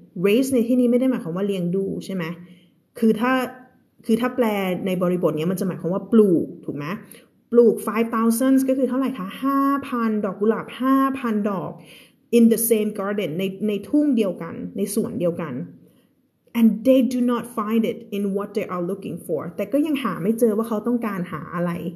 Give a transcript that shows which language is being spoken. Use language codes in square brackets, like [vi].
[th] Raise ในที่นี้ไม่ได้หมายความว่าเลี้ยงดูใช่ไหมคือถ้าแปลในบริบทนี้มันจะหมายความว่าปลูกถูกไหมปลูก 5,000 ก็คือเท่าไหร่คะ 5,000 ดอกกุหลาบ 5,000 ดอก [en] in the same garden [th] ในทุ่งเดียวกันในสวนเดียวกัน [en] and they do not find it in what they are looking for [th] แต่ก็ยังหาไม่เจอว่าเขาต้องการหาอะไร